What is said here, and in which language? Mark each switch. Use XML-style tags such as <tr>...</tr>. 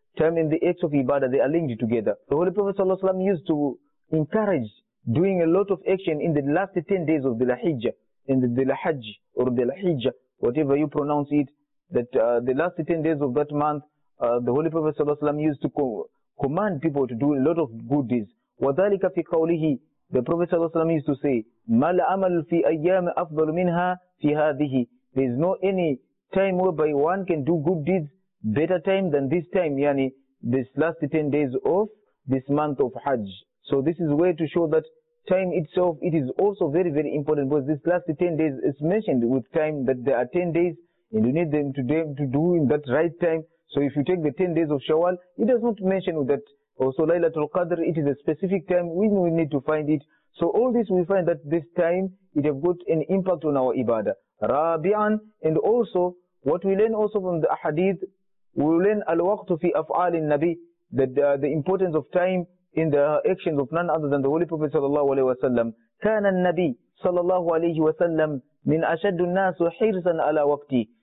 <en>Time and the acts of ibadah, they are linked together. The Holy Prophet sallallahu alaihi wasallam used to encourage doing a lot of action in the last 10 days of the Hijjah. In the Dhul Hajj or Dhul Hijjah, whatever you pronounce it, that the last 10 days of that month, the Holy Prophet sallallahu alaihi wasallam used to command people to do a lot of good deeds.</en> <ar>وَذَلِكَ فِي قَوْلِهِ,</ar> <en>the Prophet sallallahu alaihi wasallam used to say,</en> <ar>مَا لَأَمَلُ فِي أَيَّامِ أَفْضَلُ مِنْهَا فِي هَذِهِ.</ar> <en>There is no any time whereby one can do good deeds better time than this time, yani this last 10 days of this month of Hajj. So this is a way to show that time itself, it is also very, very important, because this last 10 days is mentioned with time, that there are 10 days and you need them to do in that right time. So if you take the 10 days of Shawwal, it does not mention that also Laylatul Qadr, it is a specific time, we need to find it. So all this, we find that this time, it have got an impact on our ibadah. Rabi'an, and also, what we learn also from the hadith, we learn</en> <ar>al-waqtu fi af'alin nabi,</ar> <en>that the importance of time in the actions of none other than the Holy Prophet sallallahu alaihi wasallam.</en> <ar>كان النبي صلى الله عليه وسلم من أشد الناس حرصا على وقتي.</ar>